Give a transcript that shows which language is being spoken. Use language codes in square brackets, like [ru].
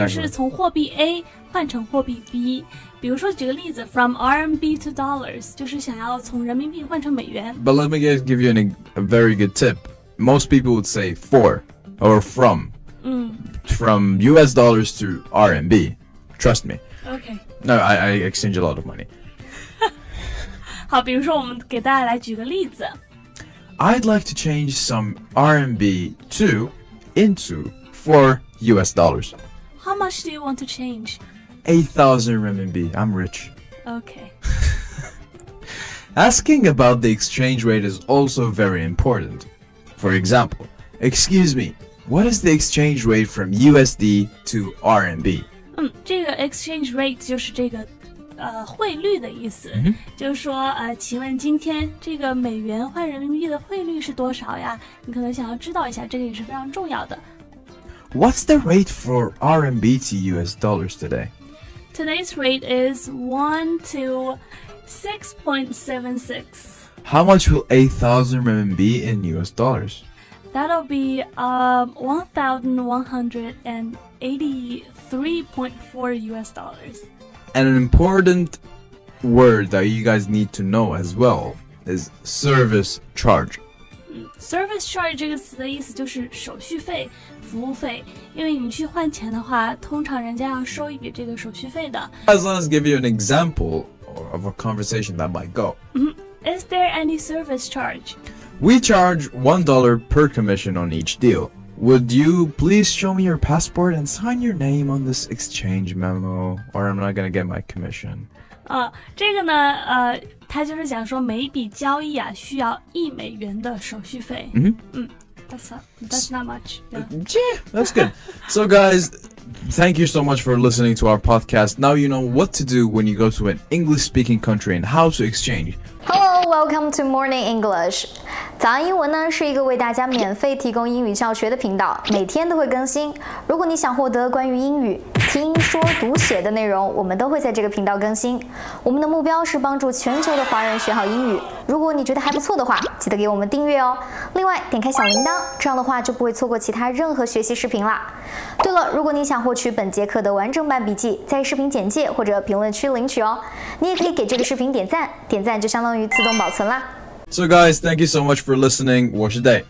[zh] 就是从货币 A 换成货币 B 比如说举个例子 [en] from RMB to dollars [zh] 就是想要从人民币换成美元 [en] But let me give you a very good tip Most people would say for or fromfrom US dollars to RMB. Trust me. Okay. No, I exchange a lot of money. [zh] 好比如说我们给大家来举个例子。 [en] I'd like to change some RMB to into for US dollars. How much do you want to change? 8,000 RMB. I'm rich. Okay. Asking about the exchange rate is also very important. For example, excuse me,What is the exchange rate from USD to RMB? [zh] 这个 exchange rate 就是这个汇率的意思、 mm-hmm. 就是说请问今天这个美元换人民币的汇率是多少呀你可能想要知道一下这个也是非常重要的 [en] What's the rate for RMB to US dollars today? Today's rate is 1 to 6.76 How much will 8,000 RMB in US dollars? That'll be 1,183.4 US dollars. And an important word that you guys need to know as well is service charge. [zh] Service charge 这个词的意思就是手续费、服务费。因为你去换钱的话，通常人家要收一笔这个手续费的。 [en] As long as give you an example of a conversation that might go. Is there any service charge? We charge $1 per commission on each deal. Would you please show me your passport and sign your name on this exchange memo, or I'm not gonna get my commission. [zh] 这个呢，他就是讲说每笔交易啊需要$1的手续费。 [en] That's not much. Yeah, that's good. So guys, thank you so much for listening to our podcast. Now you know what to do when you go to an English-speaking country and how to exchange. Hello, welcome to Morning English. [zh] 早安英文呢是一个为大家免费提供英语教学的频道，每天都会更新。如果你想获得关于英语听说读写的内容，我们都会在这个频道更新。我们的目标是帮助全球的华人学好英语。如果你觉得还不错的话，记得给我们订阅哦。另外，点开小铃铛，这样的话就不会错过其他任何学习视频啦。对了，如果你想获取本节课的完整版笔记，在视频简介或者评论区领取哦。你也可以给这个视频点赞，点赞就相当于自动保存啦。 [en] So guys, thank you so much for listening. [zh] 我是 [en] Day.